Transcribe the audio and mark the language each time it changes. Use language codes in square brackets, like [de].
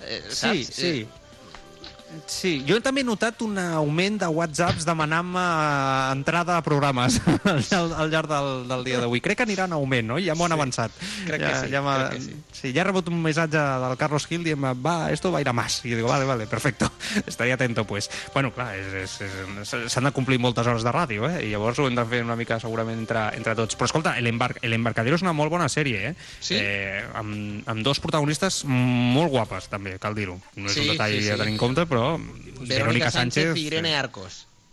[ca] Sí, sí. Sí, jo també he notat un augment de whatsapps demanant-me entrada a programes al llarg del dia d'avui. Crec que anirà en augment, no? Ja m'ho han avançat. Crec que sí. Ja he rebut un missatge del Carlos Gil dient-me, va, [es] esto va a ir a más. I jo digo, vale, perfecto, estaré atento, pues. [ca] Bueno, clar, s'han de complir moltes hores de ràdio, eh? I llavors ho hem de fer una mica segurament entre tots. Però escolta, El Embarcadero és una molt bona sèrie, eh? Sí. Amb dos protagonistes molt guapes, també, cal dir-ho. No és un detall a tenir en compte, però Verónica Sánchez i Irene Arcos.